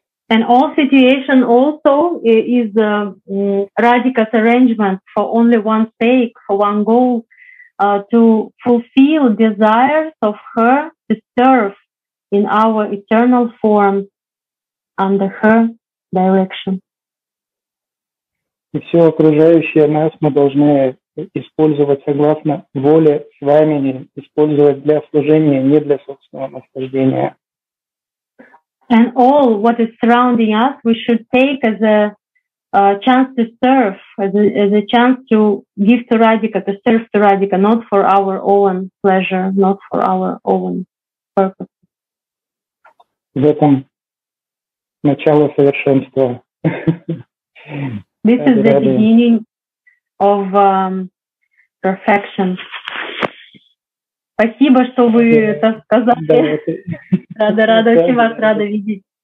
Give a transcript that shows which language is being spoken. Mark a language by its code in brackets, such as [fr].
[en] And all situation also is Radhika's arrangement for only one sake, for one goal, to fulfill desires of her, to serve in our eternal form under her direction. [ru] И все окружающее нас мы должны использовать согласно воле Свамини, использовать для служения, не для собственного наслаждения. [en] And all what is surrounding us we should take as a chance to serve, as a chance to give to Radhika, to serve to Radhika, not for our own pleasure, not for our own purpose. [ru] В этом начало совершенства. [en] This is the beginning of perfection. [ru] Спасибо, что вы это сказали. Рада-рада, очень вас рада видеть.